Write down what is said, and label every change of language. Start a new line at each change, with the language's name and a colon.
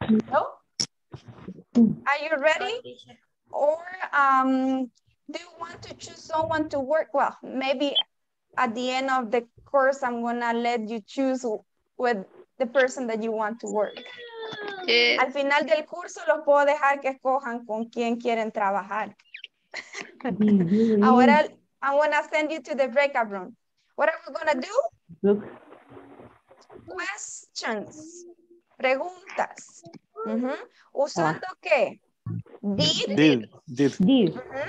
English: No? Are you ready? Or do you want to choose someone to work? Well, maybe at the end of the course, I'm gonna let you choose with the person that you want to work. Yes.
Spanish: Al final del curso los puedo dejar que escojan con quién quieren trabajar. Ahora,
English: I'm going to send you to the breakout room. What are we going to do? Questions.
Spanish: Preguntas. Uh-huh. Usando qué? Did.
English: Did.